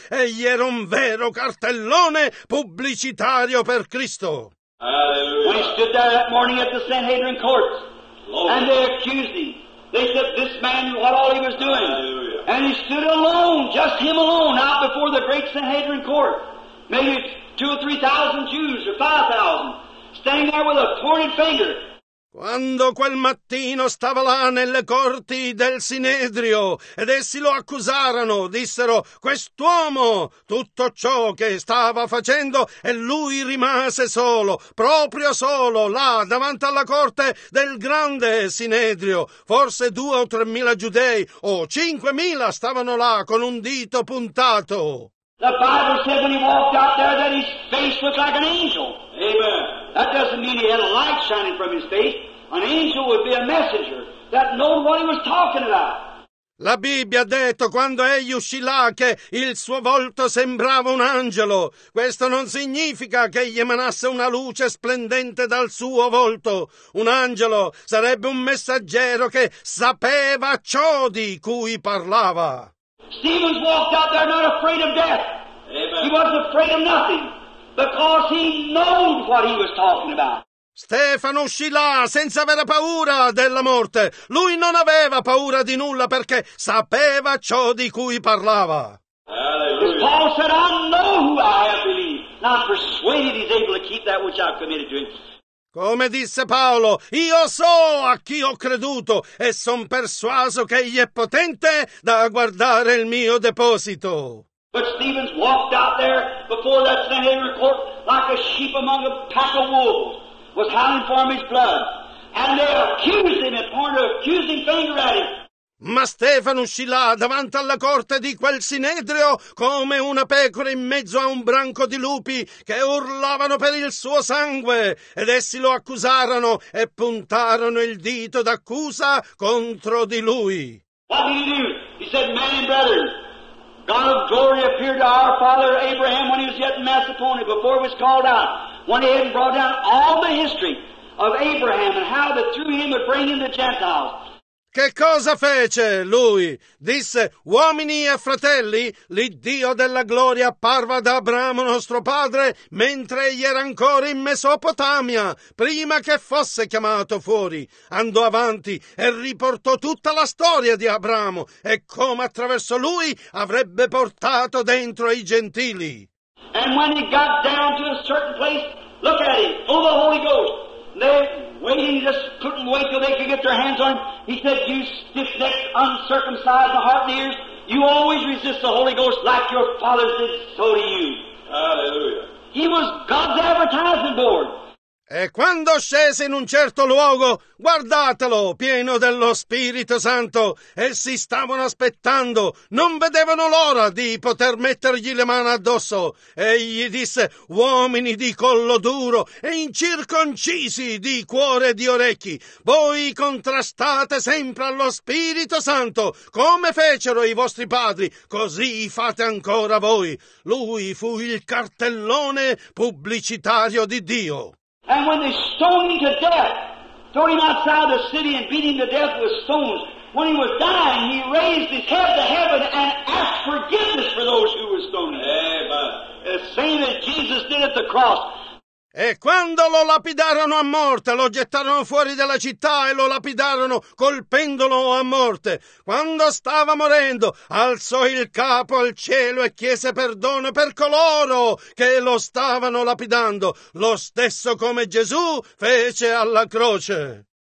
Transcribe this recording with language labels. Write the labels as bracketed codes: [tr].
[it] Egli era un vero cartellone pubblicitario per Cristo. Alleluia. [en] We stood there that morning at the Sanhedrin courts. Lord. And they accused him. They said, this man, what all he was doing. Alleluia. And he stood alone, just him alone, out before the great Sanhedrin court. Maybe 2,000 or 3,000 Jews or 5,000 standing there with a pointed finger. [it] Quando quel mattino stava là nelle corti del Sinedrio ed essi lo accusarono, dissero, quest'uomo, tutto ciò che stava facendo, e lui rimase solo, proprio solo, là, davanti alla corte del grande Sinedrio. Forse 2,000 or 3,000 giudei o 5,000 stavano là con un dito puntato. [en] The Bible said when he walked out there that his face was like an angel. Amen. That doesn't mean he had a light shining from his face. An angel would be a messenger that knew what he was talking about. [it] La Bibbia ha detto quando egli uscì là che il suo volto sembrava un angelo. Questo non significa che gli emanasse una luce splendente dal suo volto. Un angelo sarebbe un messaggero che sapeva ciò di cui parlava. [en] Stephen walked out there not afraid of death. Amen. He wasn't afraid of nothing because he knew what he was talking about. [it] Stefano uscì là senza avere paura della morte. Lui non aveva paura di nulla perché sapeva ciò di cui parlava. [en] Paul said, I know who I have believed. Not persuaded he's able to keep that which I've committed to him. [it] Come disse Paolo, io so a chi ho creduto e son persuaso che egli è potente da guardare il mio deposito. [en] But Stephen walked out there before that Sanhedrin court like a sheep among a pack of wolves, was howling for his blood, and they accused him and pointed an accusing finger at him. [it] Ma Stefano uscì là davanti alla corte di quel sinedrio come una pecora in mezzo a un branco di lupi che urlavano per il suo sangue ed essi lo accusarono e puntarono il dito d'accusa contro di lui. [en] What did he do? He said, men and brethren, God of glory appeared to our father Abraham when he was yet in Macedonia, before he was called out, when he had brought down all the history of Abraham and how that through him would bring in the Gentiles. [it] Che cosa fece lui? Disse, uomini e fratelli, l'Iddio della gloria apparve ad Abramo nostro padre mentre egli era ancora in Mesopotamia, prima che fosse chiamato fuori. Andò avanti e riportò tutta la storia di Abramo e come attraverso lui avrebbe portato dentro i gentili. [en] And when he got down to a certain place, look at him, full of the Holy Ghost. They waiting, just couldn't wait till they could get their hands on him. He said, you stiff-necked, uncircumcised the heart and ears, you always resist the Holy Ghost like your fathers did, so do you. Hallelujah. He was God's advertising board. [it] E quando scese in un certo luogo, guardatelo, pieno dello Spirito Santo, essi stavano aspettando, non vedevano l'ora di poter mettergli le mani addosso. Egli disse, uomini di collo duro e incirconcisi di cuore e di orecchi, voi contrastate sempre allo Spirito Santo, come fecero i vostri padri, così fate ancora voi. Lui fu il cartellone pubblicitario di Dio. [en] And when they stoned him to death, threw him outside the city and beat him to death with stones, when he was dying, he raised his head to heaven and asked forgiveness for those who were stoning him. The same as Jesus did at the cross. [it] E quando lo lapidarono a morte, lo gettarono fuori dalla città e lo lapidarono colpendolo a morte. Quando stava morendo, alzò il capo al cielo e chiese perdono per coloro che lo stavano lapidando, lo stesso come Gesù fece alla croce.